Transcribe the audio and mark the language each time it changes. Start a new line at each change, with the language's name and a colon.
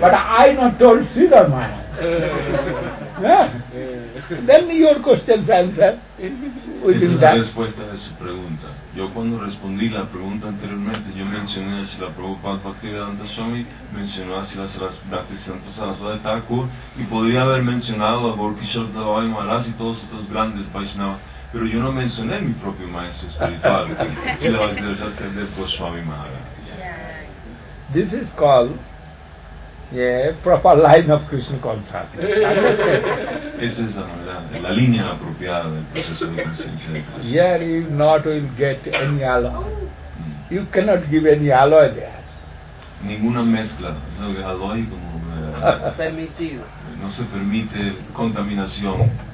English: But I not told Sridhar Maharaj. Yeah. Then your question's answer.
Spanish: Esa es la respuesta de su pregunta. Yo cuando respondí la pregunta anteriormente, yo mencioné a Srila Prabhupada Bhaktivedanta Swami, mencionó a Srila Bhaktisiddhanta Saraswati Thakur, y podría haber mencionado a Gaurakishore Dabai Maharaj y todos estos grandes Vaishnavas, pero yo no mencioné mi propio maestro espiritual, Srila Bhaktisiddhanta Goswami Maharaj.
English: This is called proper line of Krishna consciousness.
Spanish: Esa es la línea apropiada del proceso de conciencia.
English: Here you not will get any alloy. You cannot give any alloy there.
Spanish: Ninguna mezcla, no es alloy como permitido. No se permite contaminación.